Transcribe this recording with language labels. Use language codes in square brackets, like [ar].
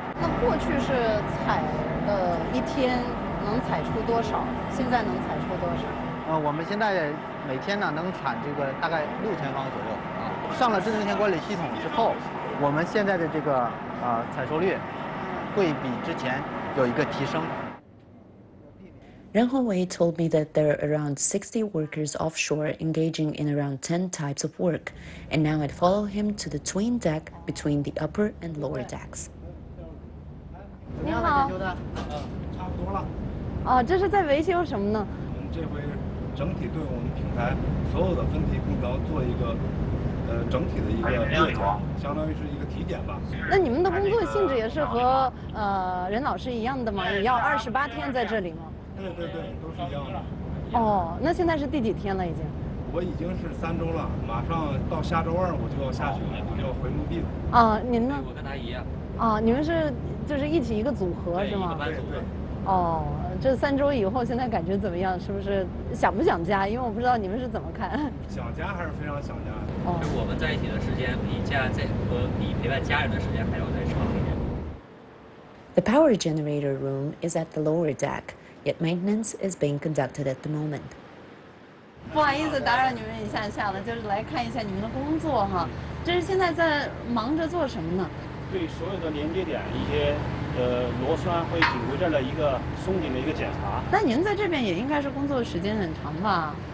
[zh] 那过去是采的一天能采出多少？现在能采出多少？我们现在每天呢能产这个大概6000方左右。上了智能田管理系统之后，我们现在的这个采收率会比之前有一个提升。 [en] 任宏伟 told me that there are around 60 workers offshore engaging in around 10 types of work, and now I'd follow him to the twin deck between the upper and lower decks. [zh] 你好。差不多了。哦，这是在维修什么呢？我们这回整体对我们平台所有的分体空调做一个整体的一个热检，相当于是一个体检吧。那你们的工作性质也是和任老师一样的吗？也要28天在这里吗？对对对，都是一样的。哦，那现在是第几天了？已经？我已经是3周了，马上到下周二我就要下去了，我就要回墓地了。啊，您呢？我跟他一样。啊，你们是就是一起一个组合是吗？对对对。哦，这3周以后现在感觉怎么样？是不是想不想家？因为我不知道你们是怎么看。想家还是非常想家的。哦，就我们在一起的时间比家在和比陪伴家人的时间还要再长一点。 [en] The power generator room is at the lower deck. Yet maintenance is being conducted at the moment. [zh] 不好意思，打扰你们一下，下了就是来看一下你们的工作哈。这是现在在忙着做什么呢？对所有的连接点一些螺栓和紧箍这儿的一个松紧的一个检查。那您在这边也应该是工作时间很长吧？